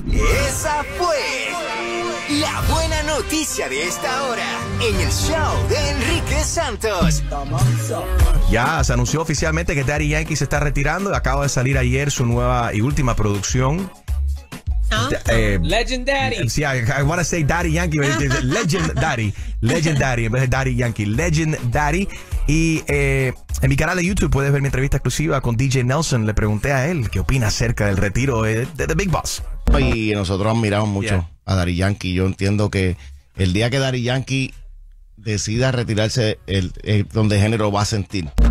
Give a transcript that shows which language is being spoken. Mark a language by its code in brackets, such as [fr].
[es] Esa fue la buena noticia de esta hora en el show de Enrique Santos. Ya se anunció oficialmente que Daddy Yankee se está retirando. Acaba de salir ayer su nueva y última producción. Legend Daddy. [en] Sí, I want to say Daddy Yankee, but it's Legend Daddy. [es] Legend Daddy, en vez de Daddy Yankee. Legend Daddy. Y en mi canal de YouTube puedes ver mi entrevista exclusiva con DJ Nelson. Le pregunté a él qué opina acerca del retiro de The Big Boss. Y nosotros admiramos mucho a Daddy Yankee. Yo entiendo que el día que Daddy Yankee decida retirarse, el donde género va a sentir.